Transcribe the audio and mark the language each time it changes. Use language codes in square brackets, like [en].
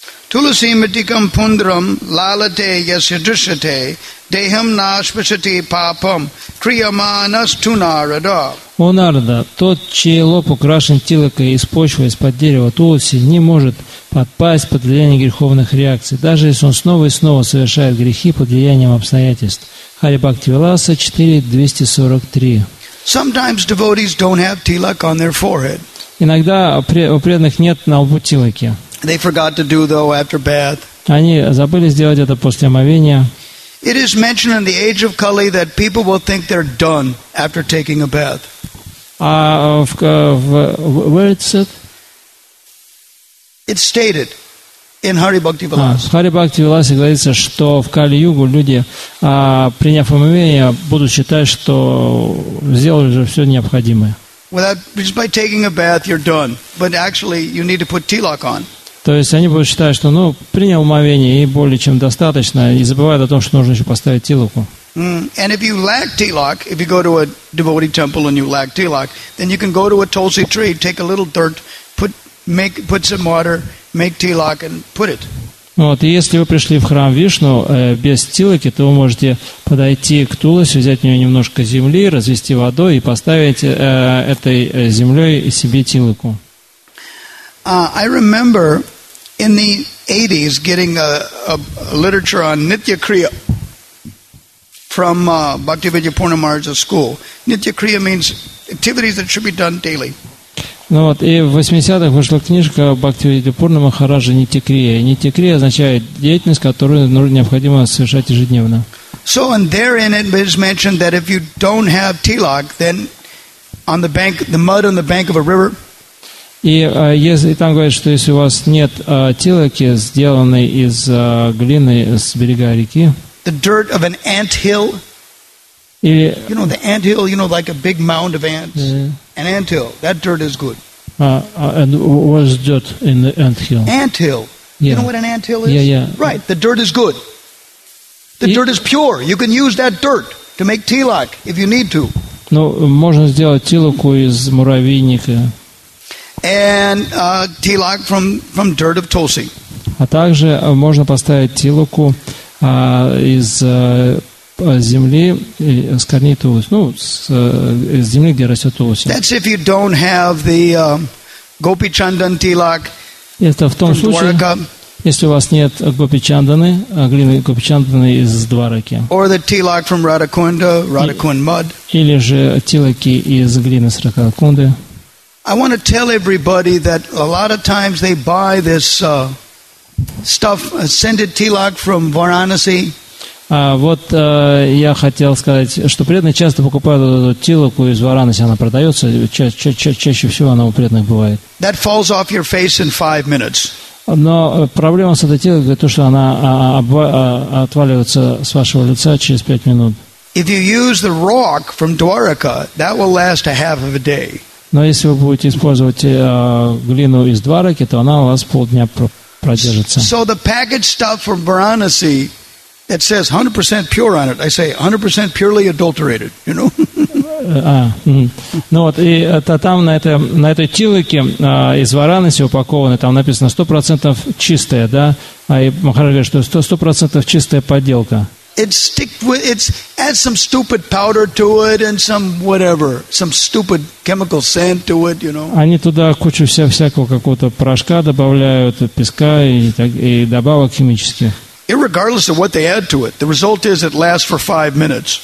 [sa] Tulasi Mitikam Pundram Lalate Yasidrishate Deham Nashpashati Papam Kriyamanas Tunarada. [ru] О Нарада, тот, чей лоб украшен тилакой из почвы, из-под дерева Туласи, не может подпасть под влияние греховных реакций, даже если он снова и снова совершает грехи под влиянием обстоятельств. Хари Бхакти Виласа 4.243. [en] Sometimes devotees don't have tilak on their forehead. [ru] Иногда у преданных нет на лбу тилаки. [en] They forgot to do though after bath. [ru] Они забыли сделать это после омовения. [en] It is mentioned in the age of Kali that people will think they're done after taking a bath. Where it said? It's stated in Hari Bhakti Vilas. [ru] В Hari Bhakti Vilas говорится, что в Кали-югу люди, приняв омовение, будут считать, что сделали уже все необходимое. [en] Without, just by taking a bath, you're done. But actually, you need to put tilak on. [ru] То есть они будут считать, что, ну, принял омовение и более чем достаточно, и забывают о том, что нужно еще поставить тилаку. [en] And if you lack tilak, if you go to a devotee temple and you lack tilak, then you can go to a tulsi tree, take a little dirt, put some water, make tilak and put it. [ru] Вот, и если вы пришли в храм Вишну без тилаки, то вы можете подойти к Туласи, взять у нее немножко земли, развести водой и поставить этой землей себе тилаку. [en] I remember in the 80s getting a literature on Nitya Kriya from Bhakti Vidya Purna Maharaja's school. Nitya Kriya means activities that should be done daily. [ru] Ну вот, и в 80-х вышла книжка Бхакти Видья Пурна Махараджа «Нитья Крия». «Нитья Крия» означает деятельность, которую необходимо совершать ежедневно. [en] So, and there in it is mentioned that if you don't have tilak, then on the bank, the mud on the bank of a river. [ru] И если там говорят, что если у вас нет тилаки, сделанной из глины с берега реки. [en] The dirt of an ant hill. [ru] Или, [en] you know, the ant hill, you know, like a big mound of ants. An ant hill. That dirt is good. And what is dirt in the ant hill? Ant hill. Yeah. You know what an ant hill is? Yeah, yeah. Right. The dirt is good. The dirt is pure. You can use that dirt to make tilak if you need to. [ru] Ну, можно сделать тилаку из муравейника. [en] And tilak from dirt of tulsi. [ru] А также можно поставить тилаку из земли, с корней тулуси, ну, с земли, где растет тулуси. [en] That's if you don't have the Gopi Chandan tilak. [ru] Это в том случае, если у вас нет Gopi Chandan, глины Gopi Chandan из Двараки. [en] Or the tilak from Radhakunda, Radhakund mud. [ru] Или же тилаки из глины с Радхакунды. [en] I want to tell everybody that a lot of times they buy this stuff, scented tilak from Varanasi. [ru] Вот я хотел сказать, что преданные часто покупают эту тилаку из Варанаси, она продается, чаще всего она у преданных бывает. [en] That falls off your face in 5 minutes. [ru] Но проблема с этой тилакой то, что она отваливается с вашего лица через 5 минут. [en] If you use the rock from Dwaraka, that will last a half of a day. [ru] Но если вы будете использовать глину из Двараки, то она у вас полдня продержится. [en] So the packaged stuff from Varanasi, it says 100% pure on it. I say 100% purely adulterated, you know? [ru] Ну вот, и это там на этой тилаке из Варанаси упакованы, там написано 100% чистая, да? А и Махараш говорит, что 100% чистая подделка. [en] It's add some stupid powder to it and some whatever, some stupid chemical sand to it, you know. [ru] Они туда кучу всякого какого-то порошка добавляют, песка и добавок химических. [en] Irregardless of what they add to it, the result is it lasts for 5 minutes.